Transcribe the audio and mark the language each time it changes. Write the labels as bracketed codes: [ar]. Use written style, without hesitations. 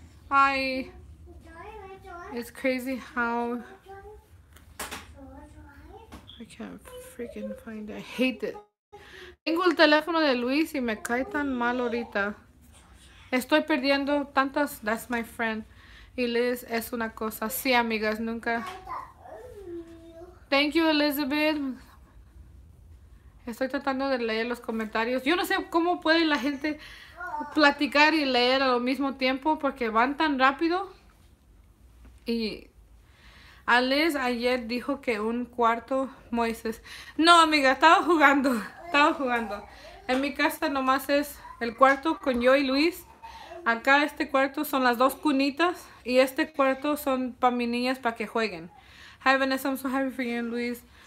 [en] Ay, it's crazy how I can't freaking find it. I hate it. [es] Tengo el teléfono de Luis y me cae tan mal ahorita. Estoy perdiendo tantas. [en] That's my friend. [es] Y Liz es una cosa. Sí, amigas, nunca. [en] Thank you, [es] Elizabeth. Estoy tratando de leer los comentarios. Yo no sé cómo puede la gente platicar y leer al mismo tiempo porque van tan rápido. Y Alex ayer dijo que un cuarto Moises. No, amiga, estaba jugando. En mi casa nomás es el cuarto con yo y Luis. Acá este cuarto son las dos cunitas y este cuarto son para mis niñas para que jueguen. [en] Hi Vanessa, I'm so happy for you and Luis.